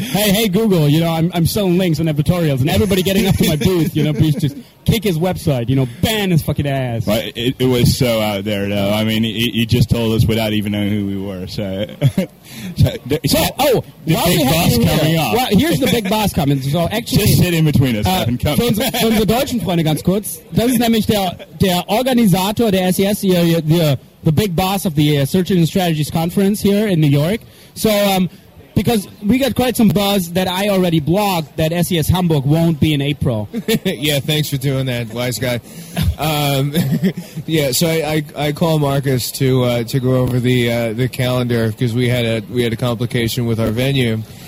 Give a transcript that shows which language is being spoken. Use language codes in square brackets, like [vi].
[en] hey, Google, you know, I'm selling links and editorials, and everybody getting up to my booth, you know, please just kick his website, you know, ban his fucking ass. But it was so out there, though. I mean, he just told us without even knowing who we were. Here's the big boss coming. So actually, just sit in between us and come. [de] Für unsere deutschen Freunde ganz kurz. Das ist nämlich der Organisator der SES, [en] the big boss of the Search Engine Strategies Conference here in New York. [de] So, [en] because we got quite some buzz that I already blocked that SES Hamburg won't be in April. Yeah, thanks for doing that, wise guy. Yeah, so I call Marcus to go over the calendar because we had a complication with our venue.